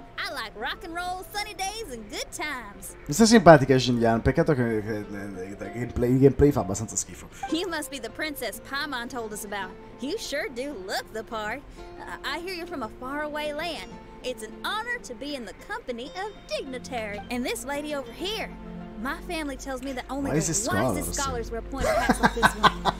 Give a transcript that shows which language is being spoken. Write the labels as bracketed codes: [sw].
[en] I like rock and roll, sunny days and good times. [it] Mi sta simpatica Xinyan, peccato che il gameplay fa abbastanza schifo. [en] You must be the princess Paimon told us about. You sure do look the part. I hear you're from a faraway land. It's an honor to be in the company of dignitary. And this lady over here. My family tells me that only the wisest scholars wear pointed hats like this one.